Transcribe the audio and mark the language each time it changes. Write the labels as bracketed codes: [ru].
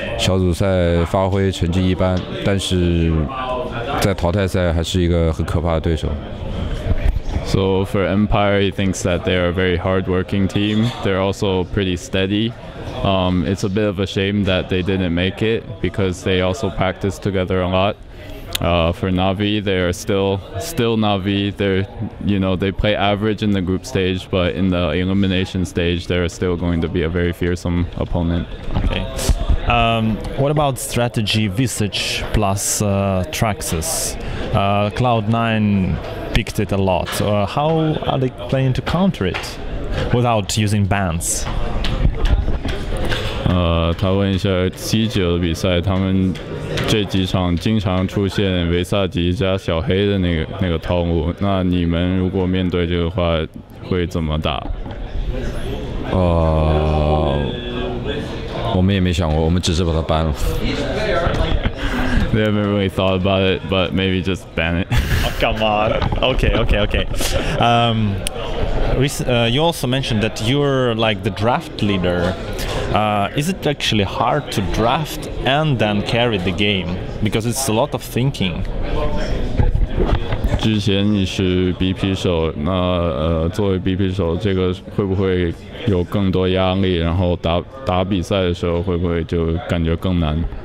[zh] 俄罗斯有几支？安派、Navi、VP。我觉得安派是一个很用功的队伍吧，而且他们的打法比较稳定。但是据说他们好像要被淘汰吧，我觉得挺可惜的。他们真的挺用功的，跟我们训练也很多。Navi的话还是那支Navi吧，小组赛发挥成绩一般，但是 [en] So for Empire, he thinks that they are a very hard-working team. They're also pretty steady. It's a bit of a shame that they didn't make it because they also practice together a lot. For Navi, they are still Navi. They play average in the group stage, but in the elimination stage, they're still going to be a very fearsome opponent. Okay. What about strategy Visage plus Traxxas? Cloud9 picked it a lot. How are they planning to counter it? without using bands. [zh] 他问一下C9的比赛，他们这几场经常出现维萨迪加小黑的那个套路，那你们如果面对这个话会怎么打？我们也没想过，我们只是把它ban了。 [en] They haven't really thought about it, but maybe just ban it. Oh, come on. Okay. You also mentioned that you're like the draft leader. Is it actually hard to draft and then carry the game? Because it's a lot of thinking. [zh] 之前你是BP手， 那作为BP手， 这个会不会有更多压力， 然后打比赛的时候会不会就感觉更难？